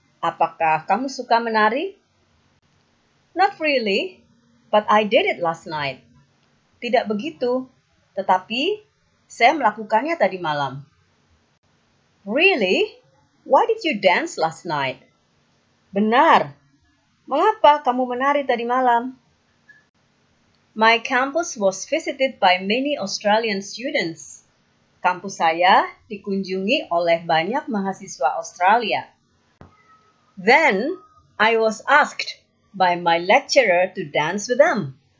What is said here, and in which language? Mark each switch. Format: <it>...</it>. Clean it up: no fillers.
<id>Apakah kamu suka menari?</id> <en>Not really, but I did it last night.</en> <id>Tidak begitu, tetapi saya melakukannya tadi malam.</id> <en>Really? Why did you dance last night?</en> <id>Benar. Mengapa kamu menari tadi malam?</id> <en>My campus was visited by many Australian students.</en> <id>Kampus saya dikunjungi oleh banyak mahasiswa Australia.</id> <en>Then I was asked by my lecturer to dance with them.</en>